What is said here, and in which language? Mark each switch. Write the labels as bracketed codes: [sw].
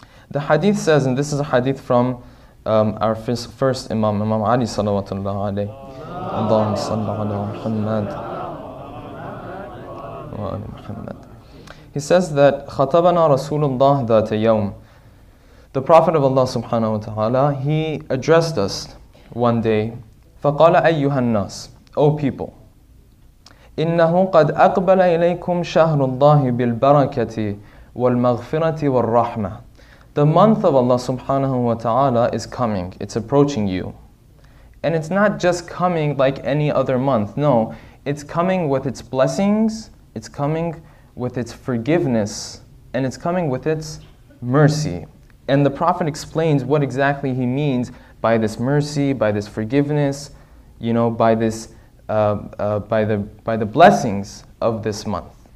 [en] The hadith says, and this is a hadith from our first Imam, Imam Ali salawatullah alayhi. Allahumma salli ala Muhammad. Wa ala Muhammad. He says that [ar] khatabana Rasulullah dhat yawm. [en] The Prophet of Allah subhanahu wa ta'ala, he addressed us one day. [ar] فَقَالَ أَيُّهَا النَّاسِ [en] O people, [ar] إِنَّهُ قَدْ أَقْبَلَ إِلَيْكُمْ شَهْرُ اللَّهِ بِالْبَرَكَةِ وَالْمَغْفِرَةِ وَالرَّحْمَةِ [en] The month of Allah subhanahu wa ta'ala is coming. It's approaching you. And it's not just coming like any other month. No, it's coming with its blessings, it's coming with its forgiveness, and it's coming with its mercy. And the Prophet explains what exactly he means by this mercy, by this forgiveness, you know, by this, by the blessings of this month.